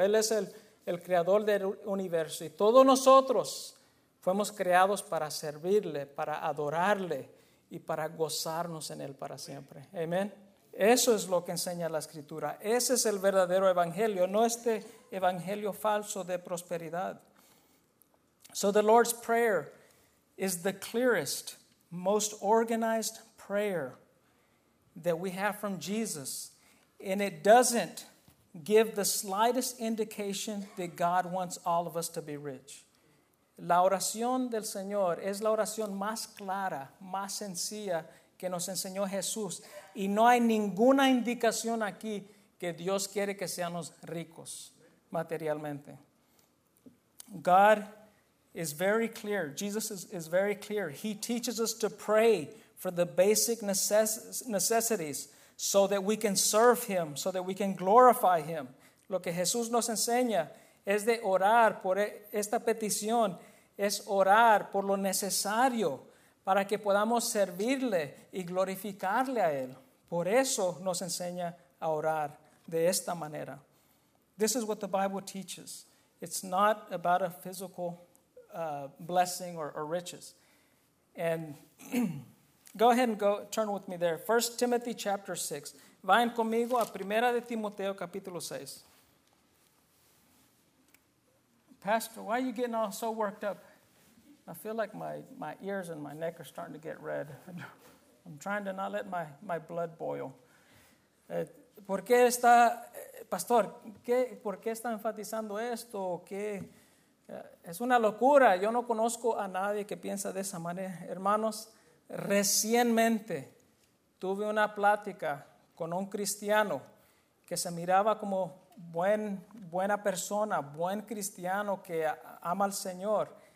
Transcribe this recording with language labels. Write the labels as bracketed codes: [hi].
[es] Él es el creador del universo. Y todos nosotros fuimos creados para servirle, para adorarle y para gozarnos en Él para siempre. Amén. Eso es lo que enseña la Escritura. Ese es el verdadero evangelio, no este evangelio falso de prosperidad. [en] So the Lord's Prayer is the clearest, most organized prayer that we have from Jesus. And it doesn't give the slightest indication that God wants all of us to be rich. [es] La oración del Señor es la oración más clara, más sencilla que nos enseñó Jesús. Y no hay ninguna indicación aquí que Dios quiere que seamos ricos materialmente. [en] God is very clear. Jesus is very clear. He teaches us to pray for the basic necessities so that we can serve Him, so that we can glorify Him. [es] Lo que Jesús nos enseña es de orar por esta petición, es orar por lo necesario para que podamos servirle y glorificarle a Él. Por eso nos enseña a orar de esta manera. [en] This is what the Bible teaches. It's not about a physical blessing or riches. And go ahead and turn with me there. 1 Timothy chapter 6. [es] Vayan conmigo a 1 Timoteo capítulo 6. [en] Pastor, why are you getting all so worked up? I feel like my ears and my neck are starting to get red. I'm trying to not let my blood boil. [es] ¿Por qué está, pastor, por qué está enfatizando esto? ¿Qué? Es una locura. Yo no conozco a nadie que piensa de esa manera. Hermanos, recientemente tuve una plática con un cristiano que se miraba como buena persona, buen cristiano que ama al Señor.